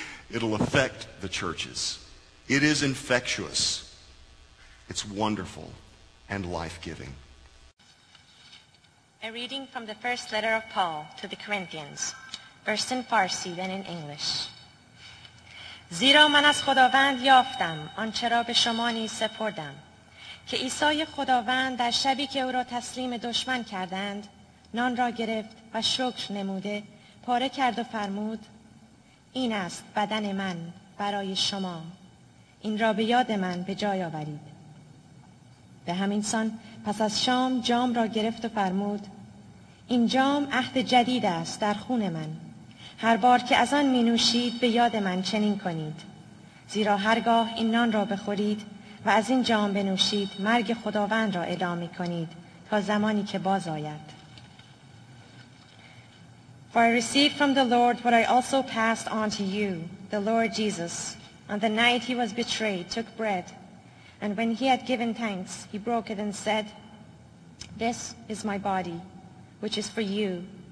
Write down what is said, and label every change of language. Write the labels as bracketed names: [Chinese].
[English] It'll affect the churches. It is infectious. It's wonderful and life-giving. A reading from the first letter of Paul to the Corinthians, first in Farsi, then in English. [Persian] زیرا من از خداوند یافتم آنچه را به شما نیز سپردم که عیسی خداوند در شبی که او را تسلیم دشمن کردند نان را گرفت و شکر نموده پاره کرد و فرمود این است بدن من برای شما، این را به یاد من به جای آورید. به همین سان پس از شام جام را گرفت و فرمود این جام عهد جدید است در خون من، هر بار که از آن می نوشید به یاد من چنین کنید، زیرا هرگاه این نان را بخورید و از این جام بنوشید مرگ خداوند را اعلام می کنید تا زمانی که باز آید. [English] For I received from the Lord what I also passed on to you. The Lord Jesus, on the night he was betrayed, took bread, and when he had given thanks, he broke it and said, This is my body, which is for you.